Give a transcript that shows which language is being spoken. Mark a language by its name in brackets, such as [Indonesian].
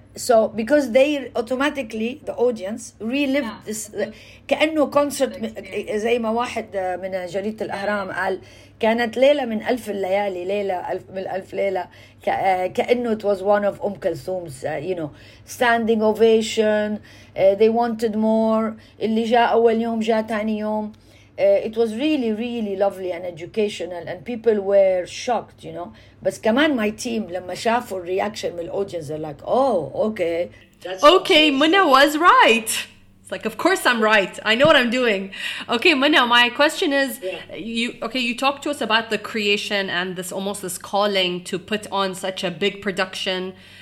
[English] So because they automatically, the audience relived, yeah, this, [Arabic] كأنه concert, زي ما واحد من جريدة الأهرام قال, كانت ليلة من ألف الليالي, ليلة ألف من ألف ليلة, كأنه [English] it was one of [Arabic] أم كلثوم's, [English] you know, standing ovation, they wanted more. [Arabic] اللي جاء أول يوم جاء تاني يوم. [English] It was really, really lovely and educational, and people were shocked, you know. But كمان my team, [Arabic] لما شافوا [English] reaction من audience, they're like, oh, okay. That's okay, awesome. Muna was right. It's like, of course I'm right. I know what I'm doing. Okay, Muna, my question is, you talked to us about the creation and this almost this calling to put on such a big production.